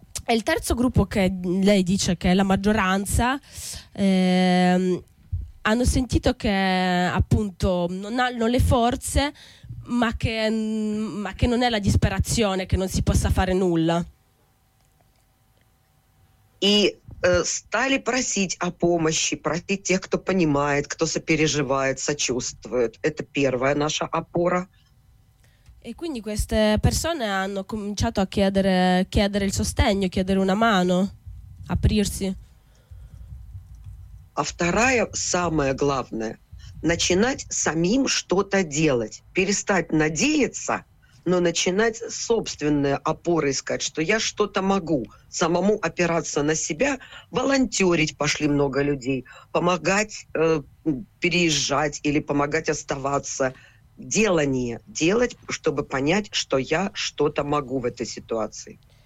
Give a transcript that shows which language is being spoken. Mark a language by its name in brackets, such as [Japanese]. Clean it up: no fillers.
[Italian] Il terzo gruppo che lei dice che è la maggioranza, hanno sentito che appunto non hanno le forze. Ma che non è la disperazione che non si possa fare nulla. [Russian] И стали просить о помощи, просить тех, кто понимает, кто сопереживает, сочувствует. Это первая наша опора. [Italian] E quindi queste persone hanno cominciato a chiedere il sostegno, chiedere una mano, aprirsi. [Russian] А вторая, самое главное, начинать самим что-то делать, перестать надеяться, но начинать собственные опоры искать, что я что-то могу, самому опираться на себя, волонтерить пошли много людей, помогать переезжать или помогать оставаться, делание делать, чтобы понять, что я что-то могу в этой ситуации.